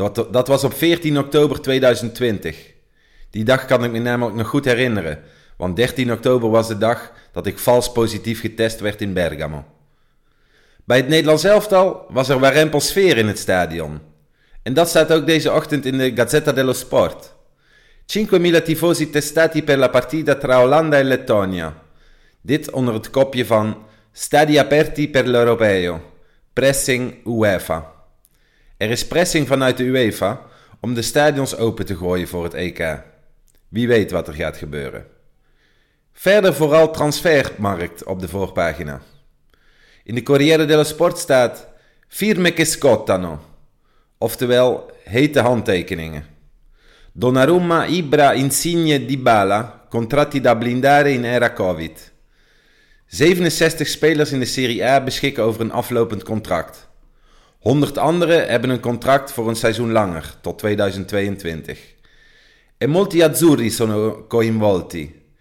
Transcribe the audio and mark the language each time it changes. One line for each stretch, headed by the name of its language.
Dutch: Dat was op 14 oktober 2020. Die dag kan ik me namelijk nog goed herinneren, want 13 oktober was de dag dat ik vals positief getest werd in Bergamo. Bij het Nederlands elftal was er warempel sfeer in het stadion. En dat staat ook deze ochtend in de Gazzetta dello Sport.
Italian: 5.000 tifosi testati per la partita tra Olanda e Lettonia.
Dutch: Dit onder het kopje van
Italian: Stadi aperti per l'Europeo.
Dutch: Pressing UEFA. Er is pressing vanuit de UEFA om de stadions open te gooien voor het EK. Wie weet wat er gaat gebeuren. Verder vooral transfermarkt op de voorpagina. In de Corriere dello Sport staat
Italian: Firme che scottano.
Dutch: Oftewel, hete handtekeningen. Donnarumma, Ibra, Insigne, Dybala,
Italian: contratti da blindare in era Covid.
Dutch: 67 spelers in de Serie A beschikken over een aflopend contract. 100 anderen hebben een contract voor een seizoen langer, tot 2022.
Italian: E molti azzurri sono coinvolti.